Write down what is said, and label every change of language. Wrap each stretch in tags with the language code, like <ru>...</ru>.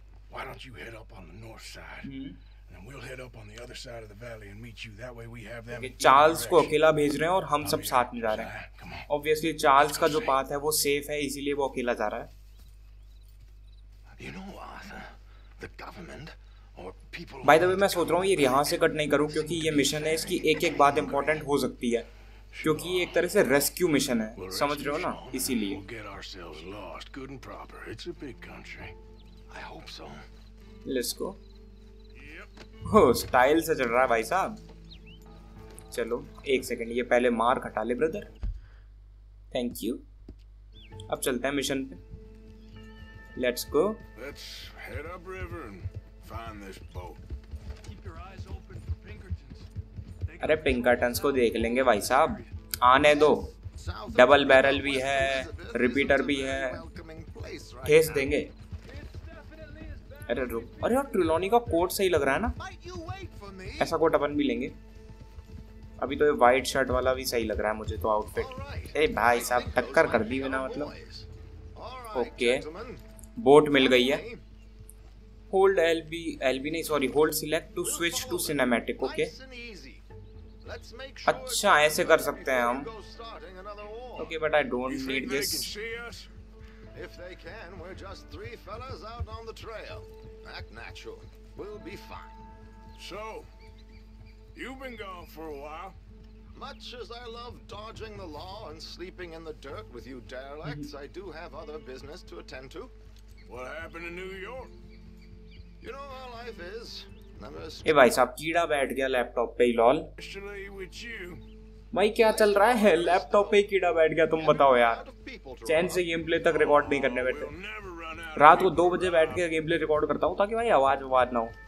<en>Why don't you head up on the north side? Mm-hmm. And we'll head up on the other side of the valley and meet you. That way we have them.</en> <hi>Okay, Charles को अकेला भेज रहे हैं और हम सब साथ में जा रहे हैं। Obviously Charles का जो path है वो safe है, इसीलिए वो अकेला जा रहा है।</hi> <en>You know Arthur, the government or people. By the way,</en> <hi>मैं सोच रहा हूँ ये यहाँ से कट नहीं करूँ, क्योंकि ये मिशन है, इसकी एक-एक बात important हो सकती है, क्योंकि ये एक तरह से रेस्क्यू मिशन है, समझ रहे हो ना? इसीलिए।</hi> <en>We'll get ourselves lost, good and proper. It's a big country. I hope so. Let's go. Yep.</en> <hi>Oh, style से चल रहा है भाई साहब। चलो एक सेकंड, ये पहले मार खटा ले ब्रदर।</hi> <en>Thank you.</en> <hi>अब चलते हैं मिशन पे।</hi> <en>Let's go. Let's head up river and find this boat. Keep your eyes open for Pinkertons.</en> <hi>अरे Pinkertons को देख लेंगे भाई साहब। आने दो। डबल बैरल भी है, रिपीटर भी है। ठेस देंगे। अरे रुक, अरे यार ट्रिलोनी का कोट सही लग रहा है ना, ऐसा कोट अपन भी लेंगे। अभी तो ये वाइट शर्ट वाला भी सही लग रहा है मुझे तो आउटफिट। ए भाई साहब टक्कर कर दी बिना मतलब। ओके बोट मिल गई है। होल्ड एलबी, एलबी नहीं sorry</hi> <en>Hold select to switch to cinematic.</en> <hi>Okay अच्छा ऐसे कर सकते हैं हम।</hi> <en>Okay but I don't need this. If they can, we're just three fellas out on the trail. Act natural. We'll be fine. So, you've been gone for a while. Much as I love dodging the law and sleeping in the dirt with you derelicts, I do have other business to attend to. What happened in New York? You know how life is.</en> <hi>Hey, भाई साहब कीड़ा बैठ गया laptop पे lol.</hi> <en>Actually, with you.</en> <hi>भाई क्या चल रहा है लैपटॉप पे कीड़ा बैठ गया तुम बताओ यार। चैन से गेम प्ले तक रिकॉर्ड नहीं करने बैठे। रात को 2 बजे बैठ के गेम प्ले रिकॉर्ड करता हूँ ताकि भाई आवाज आवाज ना हो।</hi>